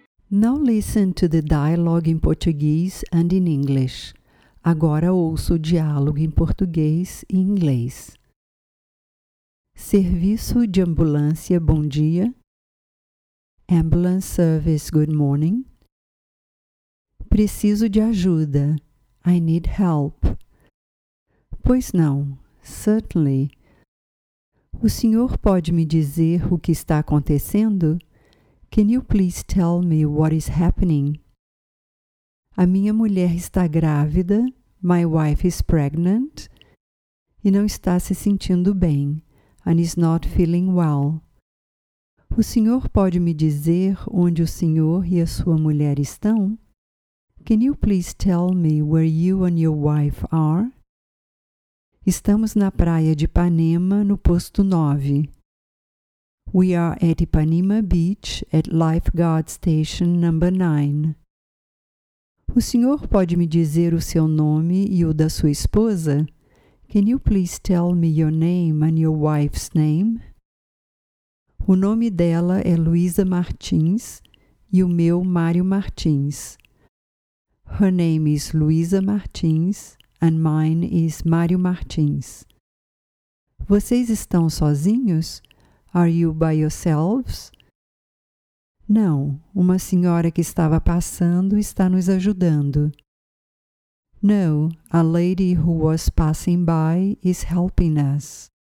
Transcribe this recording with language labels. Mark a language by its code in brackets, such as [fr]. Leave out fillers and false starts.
[en] Now listen to the dialogue in Portuguese and in English. [pt] Agora ouça o diálogo em português e inglês. Serviço de ambulância, bom dia. [en] Ambulance service, good morning. [pt] Preciso de ajuda. [en] I need help. [pt] Pois não, certainly. O senhor pode me dizer o que está acontecendo? [en] Can you please tell me what is happening? [pt] A minha mulher está grávida. [en] My wife is pregnant. [pt] E não está se sentindo bem. [en] And is not feeling well. [pt] O senhor pode me dizer onde o senhor e a sua mulher estão? [en] Can you please tell me where you and your wife are? [pt] Estamos na praia de Ipanema, no posto 9. [en] We are at Ipanema Beach, at Lifeguard Station number 9. [pt] O senhor pode me dizer o seu nome e o da sua esposa? [en] Can you please tell me your name and your wife's name? [pt] O nome dela é Luisa Martins e o meu, Mário Martins. [en] Her name is Luisa Martins and mine is Mário Martins. [pt] Vocês estão sozinhos? [en] Are you by yourselves? [pt] Não, uma senhora que estava passando está nos ajudando. [en] No, a lady who was passing by is helping us.